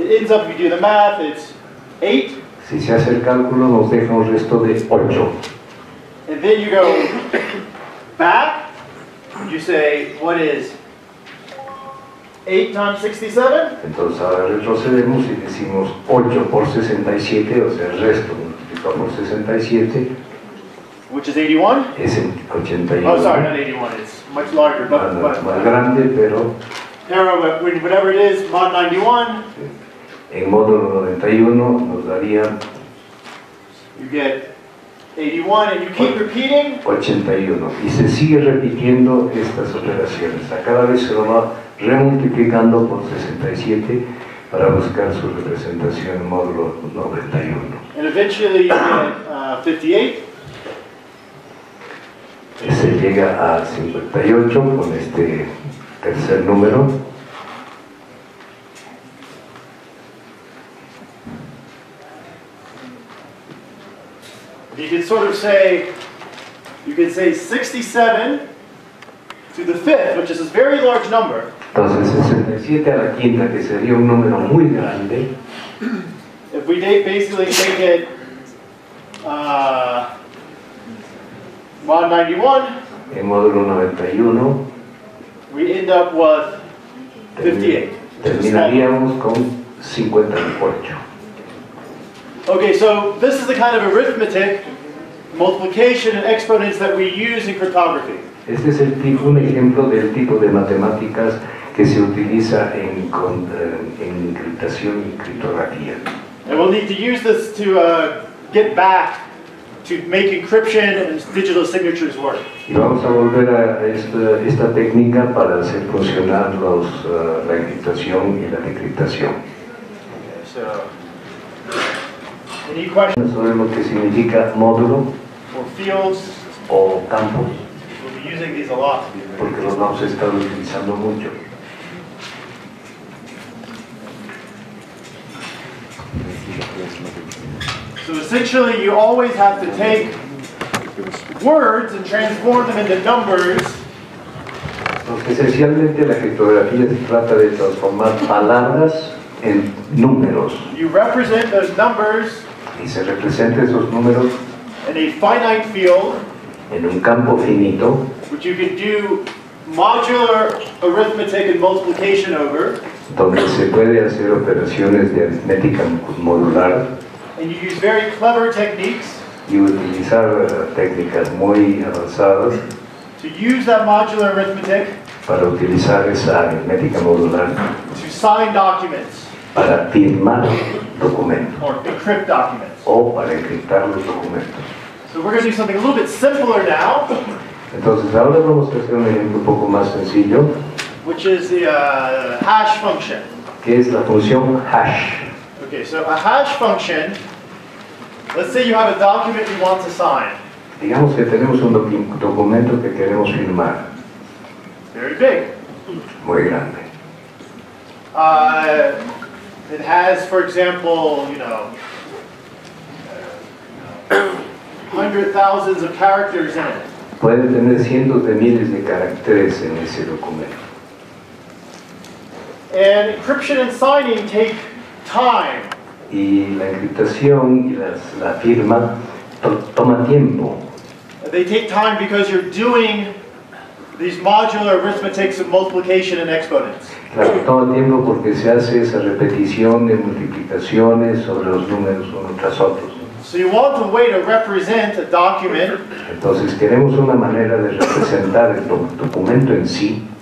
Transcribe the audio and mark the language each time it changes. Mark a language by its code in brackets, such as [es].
[en] It ends up, if you do the math, it's 8. [es] Si se hace el cálculo, nos deja un resto de 8. [en] And then you go back, you say, what is 8 times 67? [es] Entonces ahora retrocedemos y decimos 8 por 67, o sea, el resto multiplicado por 67. [en] Which is 81? [es] Es 81. [en] Oh, sorry, not 81. It's much larger, but [es] más, más grande, pero [en] whatever it is, mod 91. [es] En módulo 91 nos daría. [en] You get 81, and you keep repeating. [es] 81, y se sigue repitiendo estas operaciones. A cada vez se lo va remultiplicando por 67 para buscar su representación en módulo 91. [en] And eventually you get 58. [es] llega al 58 con este tercer número. [en] You could sort of say, you could say 67 to the fifth, which is a very large number. [es] Entonces, 67 a la quinta, que sería un número muy grande. [en] If we basically take it, 191. [es] En módulo 91. [en] We end up with 58. [es] Terminaríamos con 58. [en] Okay, so this is the kind of arithmetic, multiplication and exponents that we use in cryptography. [es] Este es el tipo, un ejemplo del tipo de matemáticas que se utiliza en encriptación y criptografía. [en] And we'll need to use this to get back to make encryption and digital signatures work. [es] Y vamos a volver a esta técnica para hacer funcionar la encriptación y la decriptación. [en] Okay, so, any questions? [es] Sabemos qué significa módulo. [en] Fields [es] o campos. [en] We'll be using these a lot. [es] Porque los vamos a estar utilizando mucho. [en] So essentially, you always have to take words and transform them into numbers. [es] Porque esencialmente la criptografía se trata de transformar palabras en números. [en] You represent those numbers. [es] Y se representa esos números. [en] In a finite field, [es] en un campo finito, [en] which you can do modular arithmetic and multiplication over, [es] donde se puede hacer operaciones de aritmética modular, [en] and you use very clever techniques, [es] y utilizar técnicas muy avanzadas, [en] to use that modular arithmetic, [es] para utilizar esa aritmética modular, [en] to sign documents, [es] para firmar documentos, [en] or decrypt documents. [es] O para encriptar los documentos. [en] So we're going to do something a little bit simpler now. [es] Entonces ahora vamos a hacer un ejemplo un poco más sencillo. [en] Which is the hash function. [es] ¿Qué es la función hash? [en] Okay, so a hash function. Let's say you have a document you want to sign. [es] Digamos que tenemos un documento que queremos firmar. [en] Very big. [es] Muy grande. [en] It has, for example, you know, hundred thousands of characters in it. [es] Puede tener cientos de miles de caracteres en ese documento. [en] And encryption and signing take time. [es] Y la encriptación y la firma toma tiempo. [en] They take time because you're doing these modular arithmetics of multiplication and exponents. [es] Claro, toma tiempo porque se hace esa repetición de multiplicaciones sobre los números uno tras otro. [en] So you want a way to represent a document. [es] Entonces queremos una manera de representar el documento en sí.